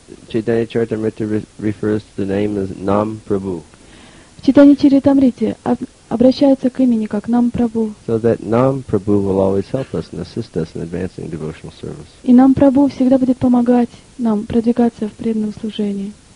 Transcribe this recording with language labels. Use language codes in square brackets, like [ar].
[en] Chaitanya Charitamrita refers to the name as Nam Prabhu. [ru] В Чайтанья Чаритамрите обращается к имени как Нам Прабху. [en] So that Nam Prabhu will always help us and assist us in advancing devotional service. [ru] И Нам Прабху всегда будет помогать нам продвигаться в преданном служении.